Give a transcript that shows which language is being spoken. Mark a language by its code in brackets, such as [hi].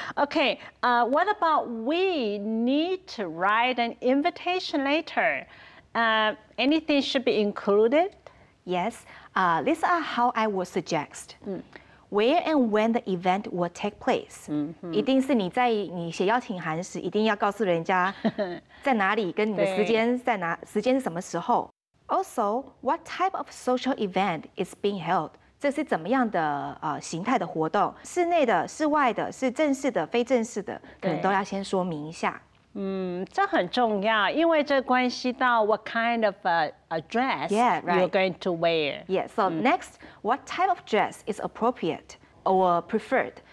[en] OK， what about we need to write an invitation letter？ Anything should be included? Yes, these are how I would suggest. Where and when the event will take place. [zh] 一定是你在你写邀请函时一定要告诉人家在哪里跟你的时间在哪，时间是什么时候。 [en] Also, what type of social event is being held? [zh] 这是怎么样的形态的活动，室内的、室外的、是正式的、非正式的，可能都要先说明一下。这很重要，因为这关系到 [en] what kind of a dress you're going to wear. Yeah, so next, what type of dress is appropriate or preferred?